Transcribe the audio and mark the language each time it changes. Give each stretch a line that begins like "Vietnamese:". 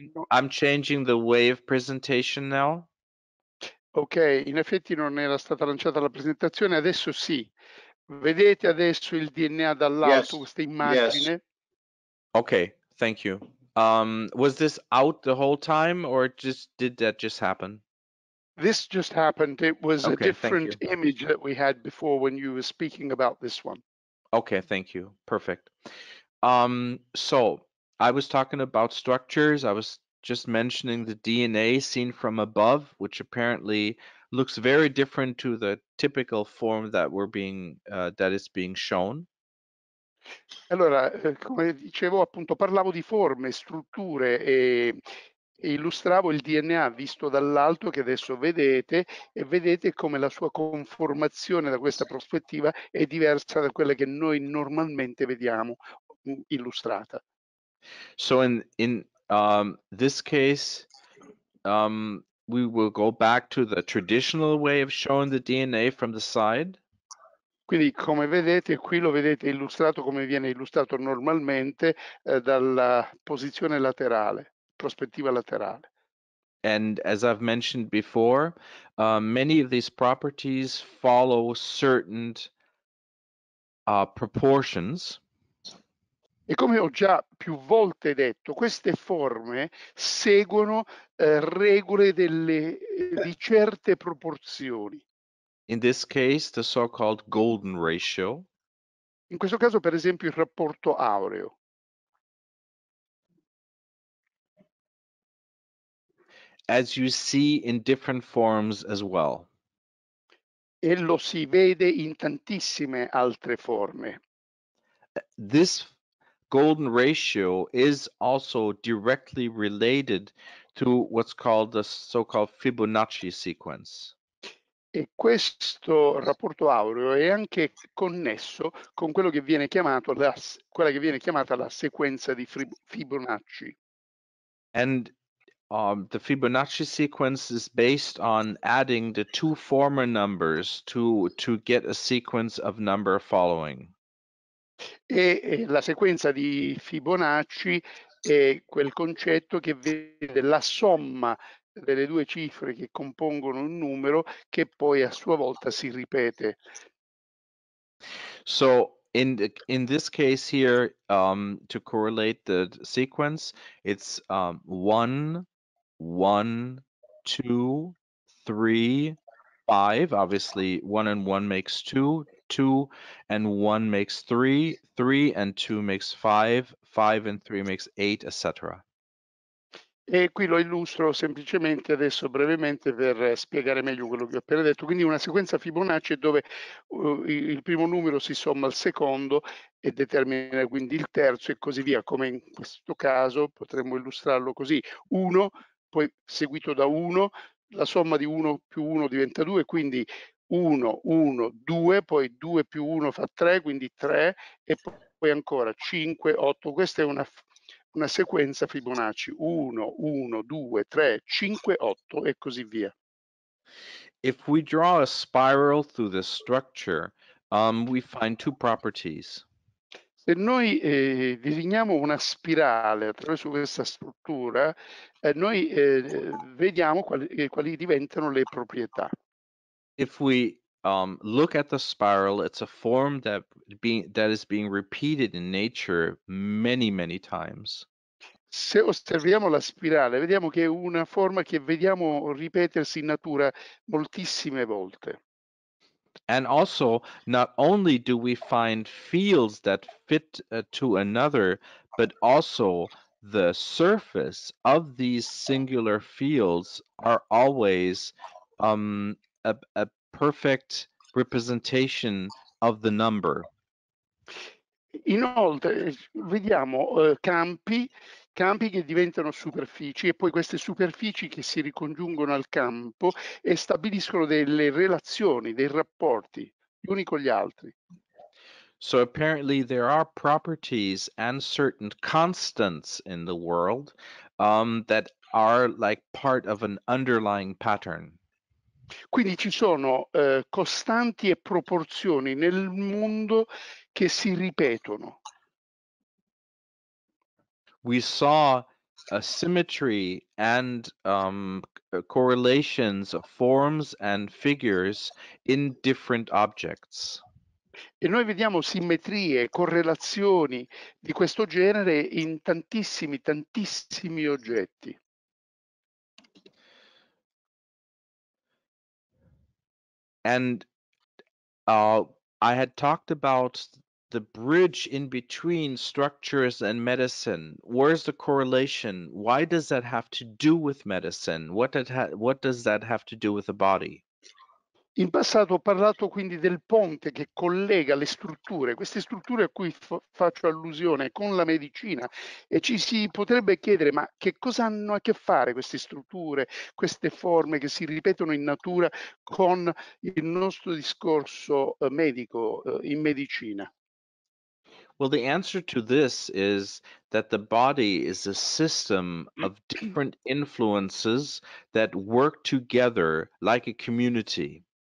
English: I'm changing the way of presentation now.
Italian: Ok, in effetti non era stata lanciata la presentazione, adesso sì. Vedete adesso il DNA dall'alto,
English: yes,
Italian: questa immagine?
English: Yes. Ok, thank you. Was this out the whole time or just did that just happen? This just happened. It was okay, a different image that we had before when you were speaking about this one. Ok, thank you. Perfect. So, I was talking about structures. I was just mentioning the DNA seen from above, which apparently looks very different to the typical form that we're being that is being shown.
Italian: Allora, come dicevo, appunto, parlavo di forme, strutture e illustravo il DNA visto dall'alto che adesso vedete e vedete come la sua conformazione da questa prospettiva è diversa da quella che noi normalmente vediamo illustrata.
English: So in this case, we will go back to the traditional way of showing the DNA from the side.
Italian: Quindi, come vedete, qui lo vedete illustrato come viene illustrato normalmente dalla posizione laterale, prospettiva laterale.
English: And as I've mentioned before, many of these properties follow certain proportions.
Italian: E come ho già più volte detto, queste forme seguono regole di certe proporzioni.
English: In this case, the so-called golden ratio.
Italian: In questo caso, per esempio, il rapporto aureo.
English: As you see in different forms as well.
Italian: E lo si vede in tantissime altre forme.
English: This golden ratio is also directly related to what's called the so-called Fibonacci sequence.
Italian: E questo rapporto aureo è anche connesso con quello che viene chiamato quella che viene chiamata la sequenza di Fibonacci.
English: And the Fibonacci sequence is based on adding the two former numbers to get a sequence of number following.
Italian: E la sequenza di Fibonacci è quel concetto che vede la somma delle due cifre che compongono un numero che poi a sua volta si ripete.
English: So in this case here, to correlate the sequence, it's 1, 1, 2, 3, 5. Obviously 1 and 1 makes 2. 2 and 1 makes 3, 3 and 2 makes 5, 5 and 3 makes 8, etc.
Italian: E qui lo illustro semplicemente adesso brevemente per spiegare meglio quello che ho appena detto. Quindi una sequenza Fibonacci dove il primo numero si somma al secondo e determina quindi il terzo e così via, come in questo caso potremmo illustrarlo così. 1, poi seguito da 1, la somma di 1 più 1 diventa 2, quindi 1, 1, 2, poi 2 più 1 fa 3, quindi 3, e poi ancora 5, 8. Questa è una sequenza Fibonacci. 1, 1, 2, 3, 5, 8, e così via.
English: If we draw a spiral through the structure, we find two properties.
Italian: Se noi disegniamo una spirale attraverso questa struttura, noi vediamo quali diventano le proprietà.
English: If we look at the spiral, it's a form that is being repeated in nature many, many times.
Italian: Se osserviamo la spirale, vediamo che è una forma che vediamo ripetersi in natura moltissime volte.
English: And also, not only do we find fields that fit to another, but also the surface of these singular fields are always a perfect representation of the number.
Italian: Inoltre vediamo campi che diventano superfici e poi queste superfici che si ricongiungono al campo e stabiliscono delle relazioni, dei rapporti. gli uni con gli altri.
English: So apparently there are properties and certain constants in the world that are like part of an underlying pattern.
Italian: Quindi ci sono costanti e proporzioni nel mondo che si ripetono.
English: We saw a symmetry and correlations of forms and figures in different objects.
Italian: E noi vediamo simmetrie, correlazioni di questo genere in tantissimi, tantissimi oggetti.
English: And I had talked about the bridge in between structures and medicine. Where's the correlation? Why does that have to do with medicine? What does that have to do with the body?
Italian: In passato ho parlato quindi del ponte che collega le strutture, queste strutture a cui faccio allusione, con la medicina, e ci si potrebbe chiedere: ma che cosa hanno a che fare queste strutture, queste forme che si ripetono in natura con il nostro discorso medico, in medicina?
English: Well, the answer to this is that the body is a system of different influences that work together like a community.